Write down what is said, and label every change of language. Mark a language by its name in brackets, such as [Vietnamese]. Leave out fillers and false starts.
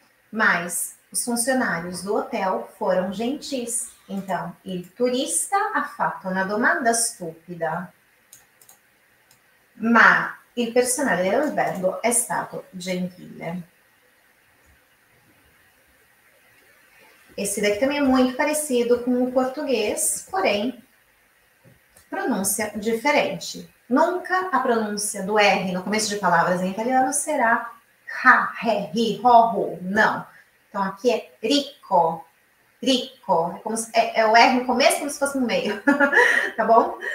[Portuguese] Mas os funcionários do hotel foram gentis. [Italian] Então, il turista ha fatto una domanda stupida. Ma il personale dell'albergo è stato gentile. [Portuguese] Esse daqui também é muito parecido com o português, porém, pronúncia diferente. Nunca a pronúncia do R no começo de palavras em italiano será ha, re, ri, ho, ru. Não. Então, aqui é rico, rico. É o R no começo como se fosse no meio, tá bom?